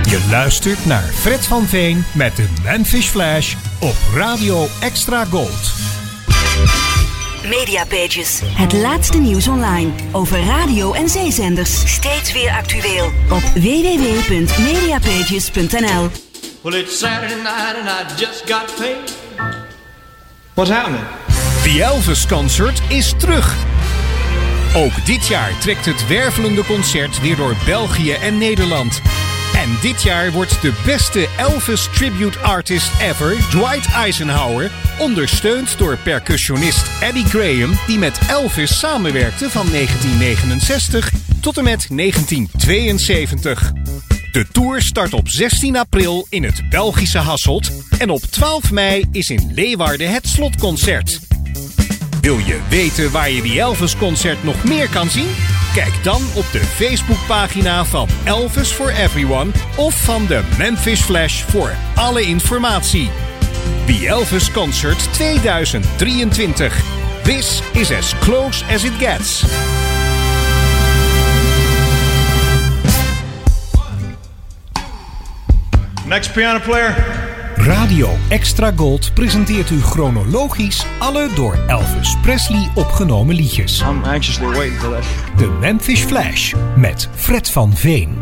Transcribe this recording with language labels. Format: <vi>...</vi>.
<nl>Luistert naar Fred van Veen met de Memphis Flash op Radio Extra Gold. Mediapages. Het laatste nieuws online over radio en zeezenders. Steeds weer actueel op www.mediapages.nl.</nl> <en>Well, it's Saturday night and I just got paid. What's happening?</en> <nl>The Elvis Concert is terug. Ook dit jaar trekt het wervelende concert weer door België en Nederland. En dit jaar wordt de beste Elvis Tribute Artist ever, Dwight Eisenhower, ondersteund door percussionist Eddie Graham, die met Elvis samenwerkte van 1969 tot en met 1972. De tour start op 16 april in het Belgische Hasselt en op 12 mei is in Leeuwarden het slotconcert. Wil je weten waar je die Elvis concert nog meer kan zien? Kijk dan op de Facebookpagina van Elvis for Everyone of van de Memphis Flash voor alle informatie.</nl> <en>The Elvis Concert 2023. This is as close as it gets. Next piano player.</en> <nl>Radio Extra Gold presenteert u chronologisch alle door Elvis Presley opgenomen liedjes.</nl> <en>I'm anxiously waiting for this.</en> <nl>The Memphis Flash met Fred van Veen.</nl>